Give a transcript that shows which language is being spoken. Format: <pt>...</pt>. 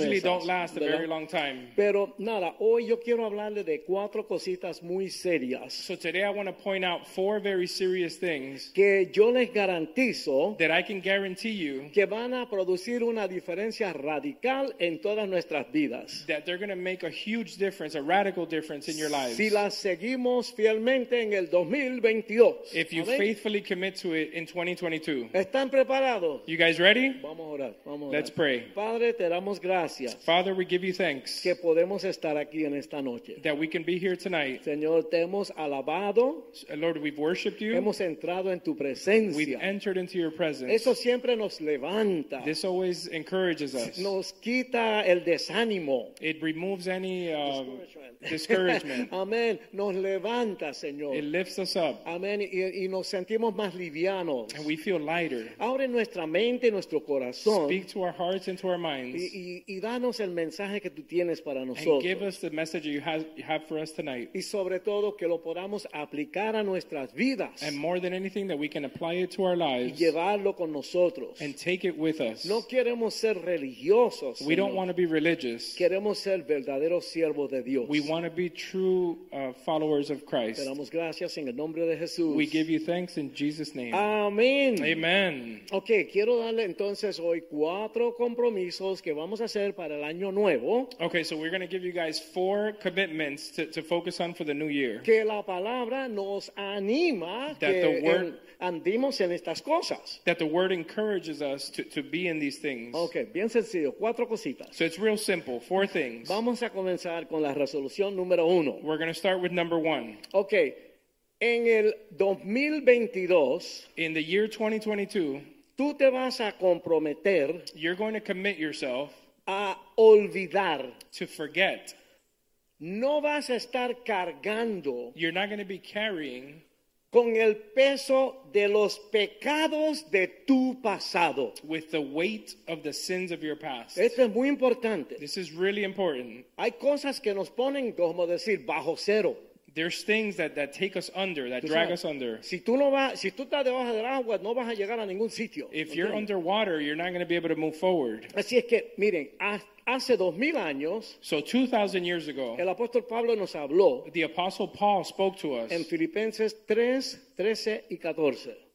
<en>usually don't last a</en> <es>¿verdad?</es> <en>Very long time.</en> <es>Pero nada, hoy yo quiero hablarle de cuatro cositas muy serias.</es> <en>So today I want to point out four very serious things.</en> <es>Que yo les garantizo.</es> <en>That I can guarantee you.</en> <es>Que van a producir una diferencia radical en todas nuestras vidas.</es> <en>That they're going to make a huge difference, a radical difference in your lives.</en> <es>Si las seguimos fielmente en el 2022.</es> <en>If you</en> <es>¿sabes?</es> <en>Faithfully commit to it in 2022.</en> <es>Están preparado.</es> <en>You guys ready?</en> <es>Vamos a orar. Vamos a orar.</es> <en>Let's pray.</en> <es>Padre, te damos gracias.</es> <en>Father, we give you thanks.</en> <es>Que podemos estar aquí en esta noche.</es> <en>That we can be here tonight.</en> <es>Señor, te hemos alabado.</es> <en>Lord, we've worshiped you.</en> <es>Hemos entrado en tu presencia.</es> <en>We've entered into your presence.</en> <es>Eso siempre nos levanta.</es> <en>This always encourages us.</en> <es>Nos quita el desánimo.</es> <en>It removes any discouragement.</en> <es>Amén. Nos levanta, Señor.</es> <en>It lifts us up.</en> <es>Amén. Y nos sentimos más livianos.</es> <en>And we feel lighter.</en> <es>Abre nuestra mente y nuestro corazón.</es> <en>Speak to our hearts and to our minds.</en> <es>Y danos el mensaje que tú tienes para nosotros.</es> <en>And give us the message you have for us tonight.</en> <es>Y sobre todo que lo podamos aplicar a nuestras vidas.</es> <en>And more than anything that we can apply it to our lives.</en> <es>Y llevarlo con nosotros.</es> <en>And take it with us.</en> <es>No queremos ser religiosos.</es> <en>We don't want to be religious.</en> <es>Queremos ser verdaderos siervos de Dios.</es> <en>We want to be true followers of Christ.</en> <es>Te damos gracias en el nombre de Jesús.</es> <en>We give you thanks in Jesus' name.</en> <es>Amén.</es> <en>Amen.</en> <es>Okay, quiero darle entonces hoy cuatro compromisos que vamos a hacer para el año nuevo.</es> <en>Okay, so we're going to give you guys four commitments to focus on for the new year.</en> <es>Que la palabra nos anima</es> <en>that</en> <es>que andemos en estas cosas.</es> <en>That the word encourages us to be in these things.</en> <es>Okay, bien sencillo, cuatro cositas.</es> <en>So it's real simple, four things.</en> <es>Vamos a comenzar con la resolución número uno.</es> <en>We're going to start with number one.</en> <es>Okay. En el 2022,</es> <en>in the year 2022,</en> <es>tú te vas a comprometer,</es> <en>you're going to commit yourself,</en> <es>a olvidar,</es> <en>to forget.</en> <es>No vas a estar cargando,</es> <en>you're not going to be carrying,</en> <es>con el peso de los pecados de tu pasado,</es> <en>with the weight of the sins of your past.</en> <es>Esto es muy importante.</es> <en>This is really important.</en> <es>Hay cosas que nos ponen, como decir, bajo cero.</es> <en>There's things that take us under, that drag us under.</en> <es>Si tú no vas, si tú estás debajo del agua, no vas a llegar a ningún sitio.</es> <en>If you're underwater, you're not going to be able to move forward.</en> <es>Así es que, miren, hace 2,000 años,</es> <en>so 2,000 years ago,</en> <es>el apóstol Pablo nos habló,</es> <en>the apostle Paul spoke to us,</en> <es>en Filipenses 3, 13 y 14.</es>